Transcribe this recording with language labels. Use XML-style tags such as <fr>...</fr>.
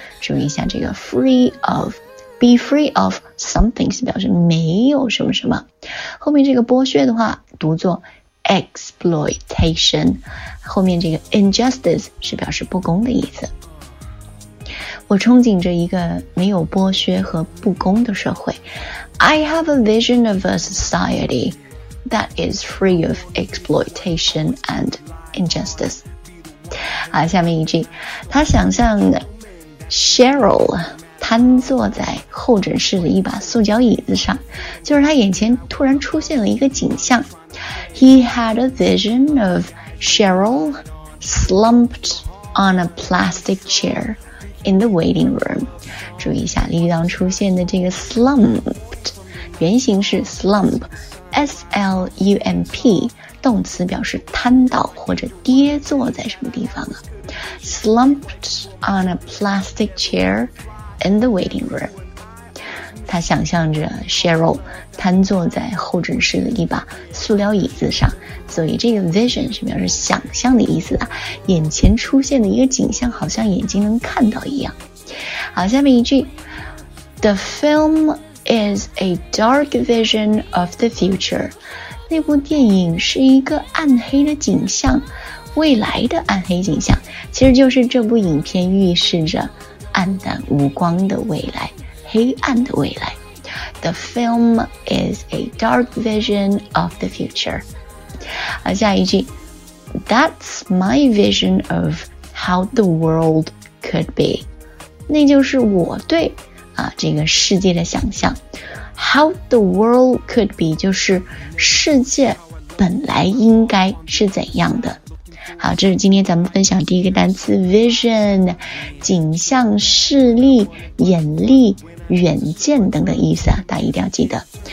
<zh>注意一下这个</zh> <en>free of, be free of something,</en> <zh>是表示没有什么什么。后面这个剥削的话读作exploitation, 后面这个 injustice 是表示不公的意思。我憧憬着一个没有剥削和不公的社会。</zh> <en>I have a vision of a society that is free of exploitation and injustice.</en> <zh>好，下面一句，他想象 Cheryl 瘫坐在候诊室的一把塑胶椅子上，就是他眼前突然出现了一个景象。</zh> <en>He had a vision of Cheryl slumped on a plastic chair in the waiting room.</en> <zh>注意一下例当出现的这个 slumped, 原型是 slump, S-L-U-M-P, 动词表示瘫倒或者跌坐在什么地方啊。</zh> <en>Slumped on a plastic chair in the waiting room.</en> <zh>他想象着 Cheryl 瘫坐在候诊室的一把塑料椅子上，所以这个 vision 是表示想象的意思啊，眼前出现的一个景象好像眼睛能看到一样。好，下面一句，</zh> <en>The film is a dark vision of the future.</en> <zh>那部电影是一个暗黑的景象，未来的暗黑景象，其实就是这部影片预示着暗淡无光的未来，黑暗的未来。</zh> <en>The film is a dark vision of the future.</en> <zh>下一句，</zh> <en>That's my vision of how the world could be.</en> <zh>那就是我对这个世界的想象。</zh> <en>How the world could be</en> <zh>就是世界本来应该是怎样的。好，这是今天咱们分享第一个单词 vision, 景象、视力、眼力、远见等等意思啊，大家一定要记得。</zh>